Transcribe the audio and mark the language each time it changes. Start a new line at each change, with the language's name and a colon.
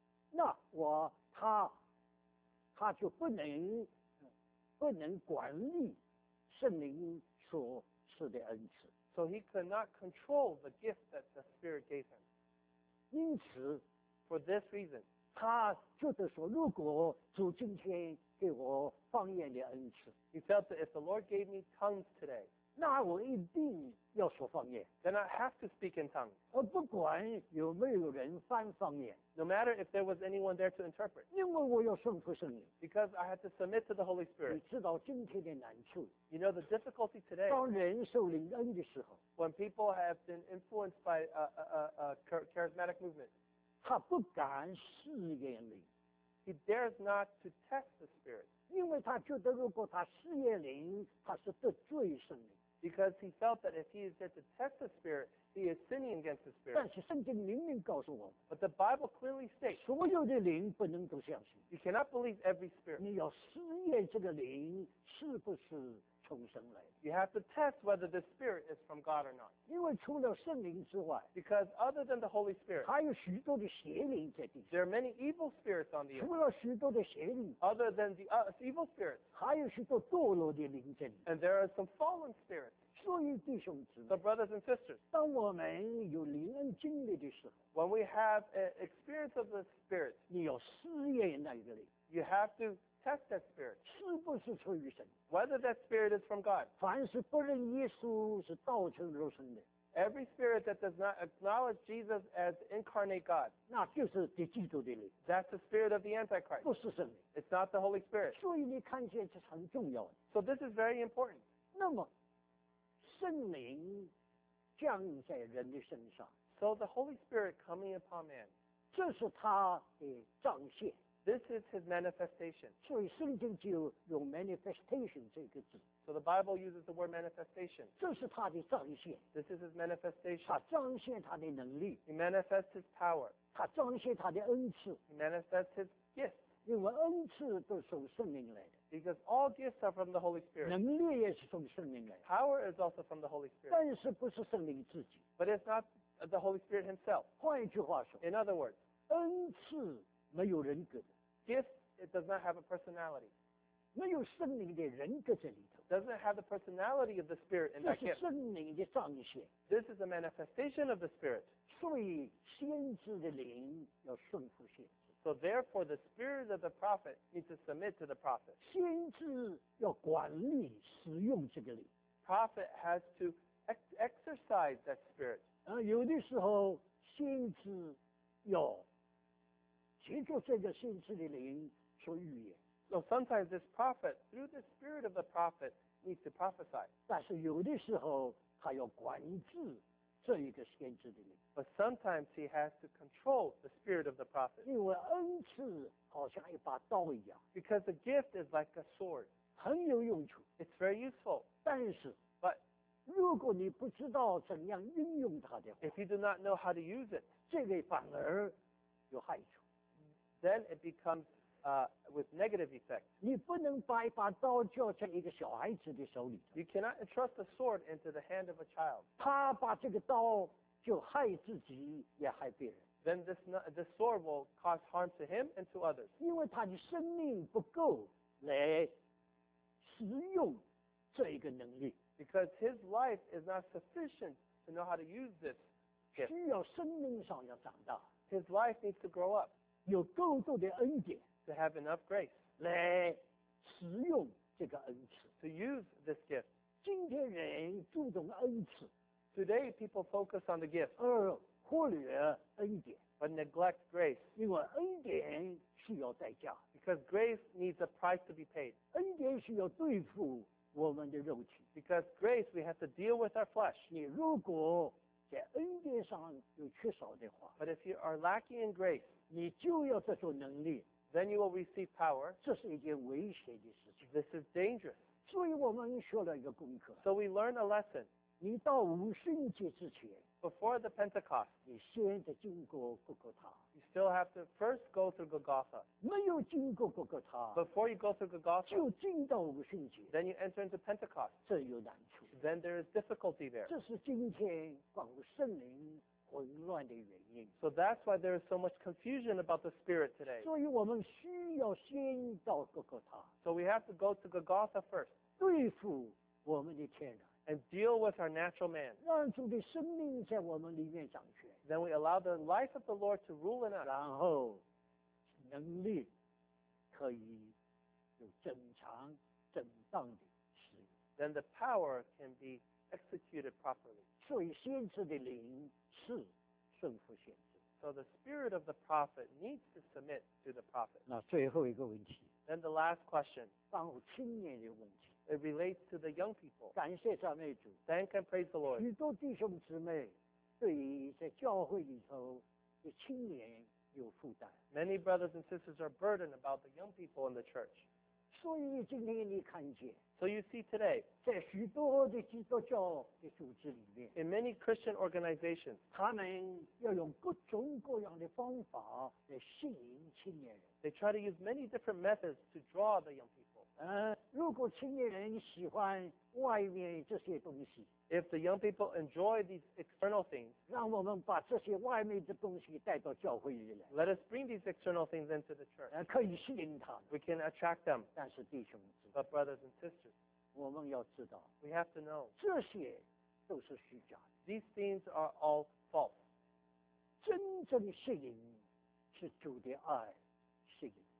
Chinese: 那我他就不能管理圣灵所赐的恩赐。
English: So he could not control the gift that the Spirit gave him.
Chinese: 因此
English: For this reason,
Chinese: 他就得说，如果主今天给我方言的恩赐，
English: he felt that if the Lord gave me tongues today,
Chinese: 那我一定要说方言。
English: Then I have to speak in tongues.
Chinese: 不管有没有人翻方言。
English: No matter if there was anyone there to interpret.
Chinese: 因为我要顺服圣灵。
English: Because I had to submit to the Holy Spirit.
Chinese: 你知道今天的难处。
English: You know the difficulty today.
Chinese: 当人受灵恩的时候。
English: When people have been influenced by a charismatic movement.
Chinese: 他不敢试验灵。
English: He dares not to test the Spirit.
Chinese: 因为他觉得如果他试验灵，他是得罪圣灵。
English: Because he felt that if he is there to test the Spirit, he is sinning against the Spirit.
Chinese: 但是圣经明明告诉我们。
English: But the Bible clearly states,
Chinese: 所有的灵不能都相信。
English: You cannot believe every spirit.
Chinese: 你要试验这个灵是不是从神来的。
English: You have to test whether the Spirit is from God or not.
Chinese: 因为除了圣灵之外。
English: Because other than the Holy Spirit,
Chinese: 还有许多的邪灵在地上。
English: There are many evil spirits on the earth.
Chinese: 除了许多的邪灵。
English: Other than the evil spirits,
Chinese: 还有许多堕落的灵在地上。
English: And there are some fallen spirits.
Chinese: 所以弟兄姊妹
English: So brothers and sisters,
Chinese: 当我们有灵恩经历的时候
English: When we have an experience of the Spirit,
Chinese: 你要试验那个灵
English: You have to test that Spirit.
Chinese: 是不是出于神
English: Whether that Spirit is from God.
Chinese: 凡是不认耶稣是道成肉身的
English: Every spirit that does not acknowledge Jesus as incarnate God.
Chinese: 那就是敌基督的灵
English: That's the Spirit of the Antichrist.
Chinese: 不是神
English: It's not the Holy Spirit.
Chinese: 所以你看见这是很重要的
English: So this is very important.
Chinese: 那么圣灵降在人的身上。
English: So the Holy Spirit coming upon man.
Chinese: 这是他的彰显。
English: This is his manifestation.
Chinese: 所以圣经就用 manifestation 这个字。
English: So the Bible uses the word manifestation.
Chinese: 这是他的彰显。
English: This is his manifestation.
Chinese: 他彰显他的能力。
English: He manifests his power.
Chinese: 他彰显他的恩赐。
English: He manifests his gifts.
Chinese: 因为恩赐都从圣灵来的。
English: Because all gifts are from the Holy Spirit.
Chinese: 能力也是从圣灵来的。
English: Power is also from the Holy Spirit.
Chinese: 但是不是圣灵自己。
English: But it's not the Holy Spirit himself.
Chinese: 换一句话说。
English: In other words,
Chinese: 恩赐没有人格的。
English: Gift, it does not have a personality.
Chinese: 没有圣灵的人格在里头。
English: Doesn't have the personality of the Spirit in that gift.
Chinese: 这是圣灵的彰显。
English: This is a manifestation of the Spirit.
Chinese: 所以先知的灵要顺服先知。
English: So therefore, the spirit of the prophet needs to submit to the prophet.
Chinese: 先知要管理使用这个灵。
English: Prophet has to exercise that spirit.
Chinese: 有的时候先知要借助这个先知的灵说预言。
English: So sometimes this prophet, through the spirit of the prophet, needs to prophesy.
Chinese: 但是有的时候他要管制。这一个先知的灵。
English: But sometimes he has to control the spirit of the prophet.
Chinese: 因为恩赐好像一把刀一样。
English: Because the gift is like a sword.
Chinese: 很有用处。
English: It's very useful.
Chinese: 但是
English: But
Chinese: 如果你不知道怎样运用它的话
English: If you do not know how to use it.
Chinese: 这个反而有害处。
English: Then it becomes with negative effect.
Chinese: 你不能把一把刀交在一个小孩子的手里头。
English: You cannot entrust a sword into the hand of a child.
Chinese: 他把这个刀就害自己也害别人。
English: Then this sword will cause harm to him and to others.
Chinese: 因为他的生命不够来使用这一个能力。
English: Because his life is not sufficient to know how to use this gift.
Chinese: 需要生命上要长大。
English: His life needs to grow up.
Chinese: 有够多的恩典。
English: To have enough grace.
Chinese: 来使用这个恩赐。
English: To use this gift.
Chinese: 今天人注重恩赐。
English: Today people focus on the gift.
Chinese: 忽略恩典。
English: But neglect grace.
Chinese: 因为恩典需要代价。
English: Because grace needs a price to be paid.
Chinese: 恩典需要对付我们的肉体。
English: Because grace, we have to deal with our flesh.
Chinese: 你如果在恩典上有缺少的话。
English: But if you are lacking in grace.
Chinese: 你就要这种能力。
English: Then you will receive power.
Chinese: 这是一件危险的事情。
English: This is dangerous.
Chinese: 所以我们学了一个功课。
English: So we learn a lesson.
Chinese: 你到五旬节之前。
English: Before the Pentecost.
Chinese: 你先得经过哥哥他。
English: You still have to first go through Golgotha.
Chinese: 没有经过哥哥他。
English: Before you go through Golgotha.
Chinese: 就进到五旬节。
English: Then you enter into Pentecost.
Chinese: 这有难处。
English: Then there is difficulty there.
Chinese: 这是今天广圣灵。混乱的原因。
English: So that's why there is so much confusion about the Spirit today.
Chinese: 所以我们需要先到哥哥他。
English: So we have to go to Golgotha first.
Chinese: 对付我们的天然。
English: And deal with our natural man.
Chinese: 让主的生命在我们里面掌权。
English: Then we allow the life of the Lord to rule in us.
Chinese: 然后能力可以有正常正当的使用。
English: Then the power can be executed properly.
Chinese: 所以先知的灵是顺服先知。
English: So the spirit of the prophet needs to submit to the prophet.
Chinese: 那最后一个问题。
English: Then the last question.
Chinese: 关乎青年的问题。
English: It relates to the young people.
Chinese: 感谢赞美主。
English: Thank and praise the Lord.
Chinese: 许多弟兄姊妹对于在教会里头的青年有负担。
English: Many brothers and sisters are burdened about the young people in the church.
Chinese: 所以今天你看见。
English: So you see today,
Chinese: 在许多的基督教的组织里面,
English: in many Christian organizations,
Chinese: 他们要用各种各样的方法来吸引青年人。
English: They try to use many different methods to draw the young people.
Chinese: 如果青年人喜欢外面这些东西,
English: if the young people enjoy these external things,
Chinese: 让我们把这些外面的东西带到教会里来。
English: Let us bring these external things into the church.
Chinese: 可以吸引他们。
English: We can attract them.
Chinese: 但是弟兄们。
English: But brothers and sisters,
Chinese: 我们要知道,
English: we have to know,
Chinese: 这些都是虚假的。
English: These things are all false.
Chinese: 真正吸引是主的爱吸引。